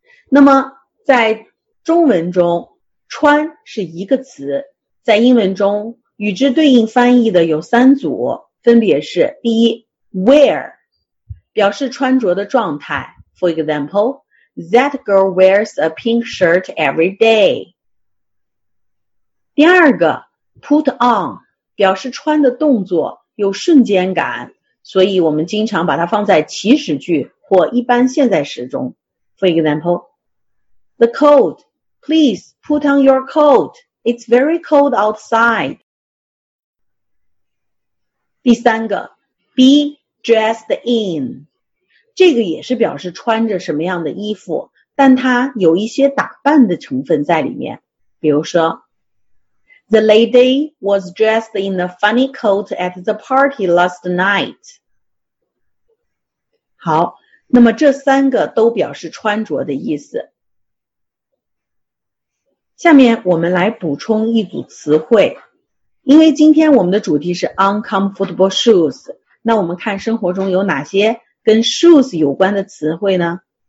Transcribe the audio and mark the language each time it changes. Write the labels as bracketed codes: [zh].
[zh] 那么在中文中穿是一个词，在英文中与之对应翻译的有三组，分别是第一 wear 表示穿着的状态。 [en] For example, that girl wears a pink shirt every day. [zh] 第二个 put on 表示穿的动作，有瞬间感，所以我们经常把它放在祈使句或一般现在时中。 [en] For example, The coat, please put on your coat. It's very cold outside. [zh] 第三个 be dressed in, 这个也是表示穿着什么样的衣服，但它有一些打扮的成分在里面。比如说 [en] The lady was dressed in a funny coat at the party last night. [zh] 好，那么这三个都表示穿着的意思。下面我们来补充一组词汇，因为今天我们的主题是 uncomfortable shoes， 那我们看生活中有哪些跟 shoes 有关的词汇呢？